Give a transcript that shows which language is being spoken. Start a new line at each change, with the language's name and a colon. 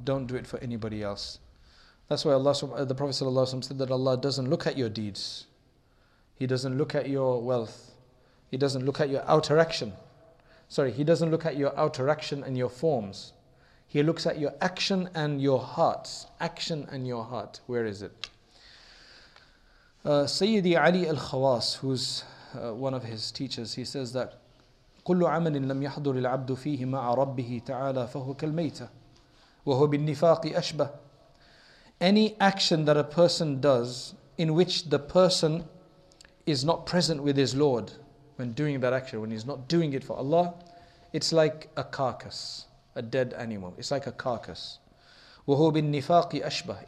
English: Don't do it for anybody else. That's why Allah, the Prophet ﷺ said that Allah doesn't look at your deeds. He doesn't look at your wealth. He doesn't look at your outer action. Sorry, he doesn't look at your outer action and your forms. He looks at your action and your heart. Action and your heart. Where is it? Sayyidi Ali al-Khawas, who's one of his teachers, he says that
Arabic: كل عمل لم يحضر العبد فيه مع ربه تعالى فهو كالميتة وهو بالنفاق أشبه.
English: Any action that a person does in which the person is not present with his Lord when doing that action, when he's not doing it for Allah, it's like a carcass, a dead animal. It's like a carcass.
Arabic: وهو بالنفاق أشبه.